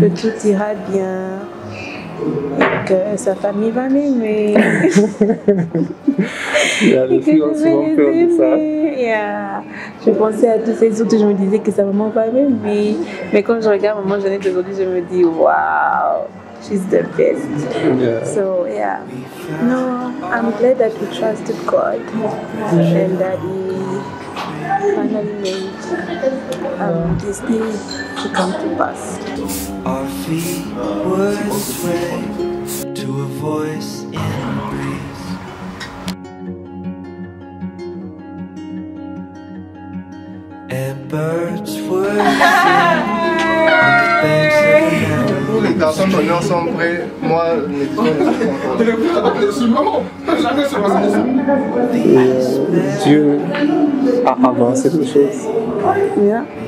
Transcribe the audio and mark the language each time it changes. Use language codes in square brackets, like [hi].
[fr] que tout ira bien, que sa famille va m'aimer. Je pensais à tous ces autres, je me disais que sa maman va m'aimer. Mais quand je regarde maman Jeannette aujourd'hui, je me dis, waouh! [en] She's the best. Yeah. So yeah. No, I'm glad that you trusted God and that He finally made this thing to come to pass. Our feet were swayed to a voice in the breeze. And birds were singing. [fr] Les personnes qu'on est ensemble près, moi, mes parents. Dieu a avancé les choses. [en] Yeah.